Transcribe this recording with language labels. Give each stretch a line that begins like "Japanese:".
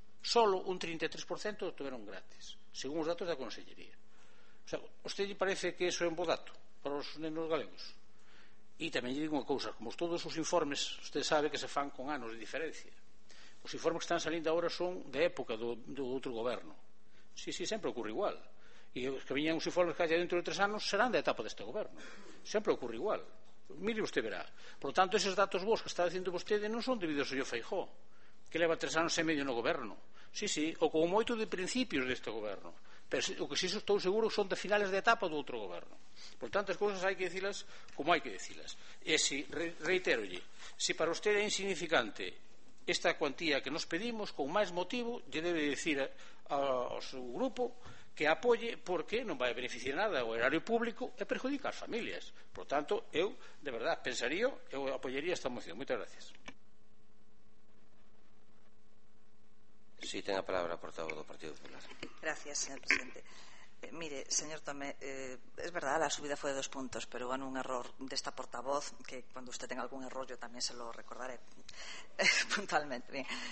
Galician: Solo un 33% os tuveron gratis, según os datos da consellería. O sea, usted lle parece que eso é un bo dato para os nenos galegos? E tamén lle digo unha cousa, como todos os informes, usted sabe que se fan con anos de diferencia. Os informes que están salindo agora son de época do outro goberno. Sí, sempre ocorre igual. E os que viñan os informes que haya dentro de tres anos serán da etapa deste goberno. Sempre ocorre igual. Mire, usted verá. Por tanto, esos datos vos que está dicendo vostede non son debidos ao señor Feijó, que leva tres anos e medio no goberno. Sí, ou como moito de principios deste goberno. Pero o que sí estou seguro son de finales de etapa do outro goberno. Por tanto, as cousas hai que dicilas como hai que dicilas. E si, reitérolle, si para usted é insignificante esta cuantía que nos pedimos, con máis motivo, lle debe decir ao seu grupo que apoie, porque non vai beneficiar nada ao erario público e perjudica as familias. Por tanto, eu, de verdad, pensaría, eu apoiaría esta moción. Moitas gracias. Sí, ten a palabra o portavoz do Partido Popular.
Spanish: Gracias, señor presidente. Mire, señor Tomé, es verdad, la subida fue de dos puntos, pero hubo un error de esta portavoz, que cuando usted tenga algún error yo también se lo recordaré puntualmente. Bien.